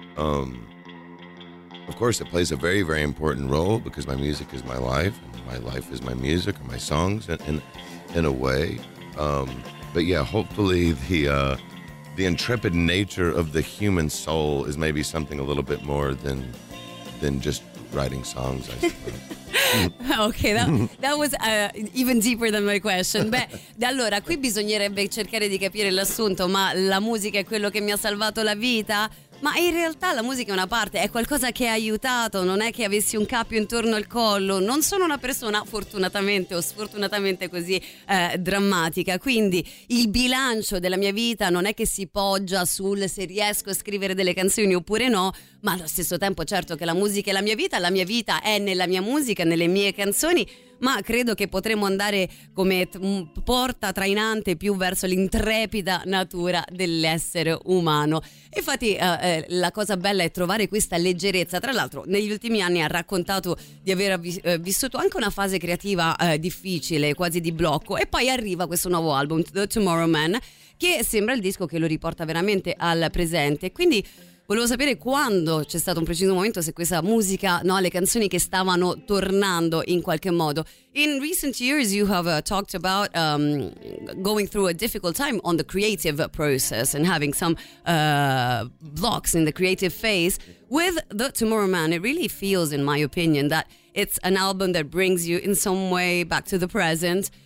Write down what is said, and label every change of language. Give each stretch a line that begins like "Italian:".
English: Of course, it plays a very, very important role because my music is my life, and my life is my music or my songs in a way. But yeah, hopefully the intrepid nature of the human soul is maybe something a little bit more than just writing songs, I suppose. Okay, that was even deeper than my question.
Italian: Beh, allora, qui bisognerebbe cercare di capire l'assunto, ma la musica è quello che mi ha salvato la vita? Ma in realtà la musica è una parte, è qualcosa che ha aiutato, non è che avessi un cappio intorno al collo. Non sono una persona fortunatamente o sfortunatamente così drammatica, quindi il bilancio della mia vita non è che si poggia sul se riesco a scrivere delle canzoni oppure no, ma allo stesso tempo certo che la musica è la mia vita è nella mia musica, nelle mie canzoni. Ma credo che potremmo andare come porta trainante più verso l'intrepida natura dell'essere umano. Infatti la cosa bella è trovare questa leggerezza. Tra l'altro negli ultimi anni ha raccontato di aver vissuto anche una fase creativa difficile, quasi di blocco. E poi arriva questo nuovo album, The Tomorrow Man, che sembra il disco che lo riporta veramente al presente. Quindi volevo sapere quando c'è stato un preciso momento, se questa musica, no, le canzoni che stavano tornando in qualche modo.
English: In recent years you have talked about going through a difficult time on the creative process and having some blocks in the creative phase. With The Tomorrow Man, it really feels, in my opinion, that it's an album that brings you in some way back to the present.